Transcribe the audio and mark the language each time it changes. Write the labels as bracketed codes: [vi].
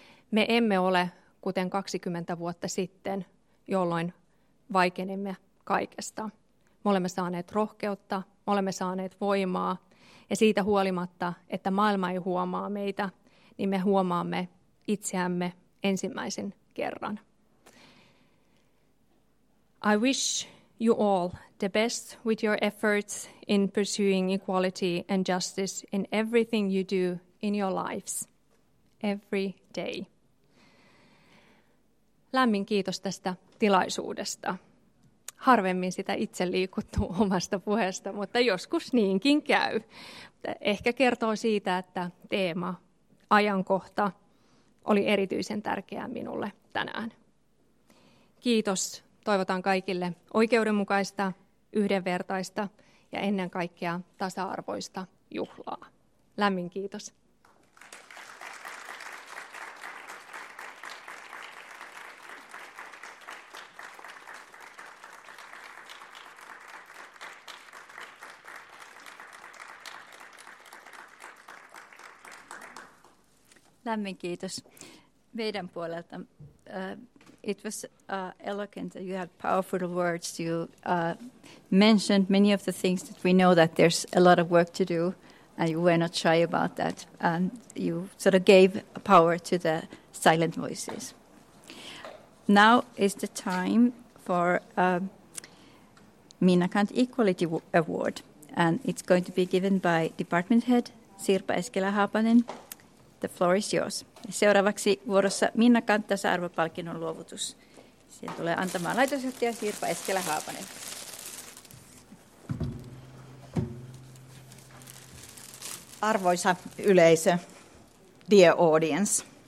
[fi] Me emme ole kuten 20 vuotta sitten, jolloin vaikenimme kaikesta. Me olemme saaneet rohkeutta, me olemme saaneet voimaa. Ja siitä huolimatta, että maailma ei huomaa meitä, niin me huomaamme itseämme ensimmäisen kerran. [en] I wish you all the best with your efforts in pursuing equality and justice in everything you do in your lives, every day. [fi] Lämmin kiitos tästä tilaisuudesta. Harvemmin sitä itse liikuttuu omasta puheesta, mutta joskus niinkin käy. Ehkä kertoo siitä, että teema, ajankohta oli erityisen tärkeää minulle tänään. Kiitos. Toivotan kaikille oikeudenmukaista, yhdenvertaista ja ennen kaikkea tasa-arvoista juhlaa. Lämmin kiitos. Lämmin kiitos meidän puolelta. [en] It was eloquent that you had powerful words. You mentioned many of the things that we know that there's a lot of work to do, and you were not shy about that. You sort of gave power to the silent voices. Now is the time for Minnakant Equality Award, and it's going to be given by Department Head Sirpa Eskelä-Haapanen. The floor is yours. [fi] Seuraavaksi vuorossa Minnakant tasa-arvopalkinnon luovutus. Sen tulee antamaan laitosjohtaja Sirpa Eskelä-Haapanen. Arvoisa yleisö, [en] dear audience.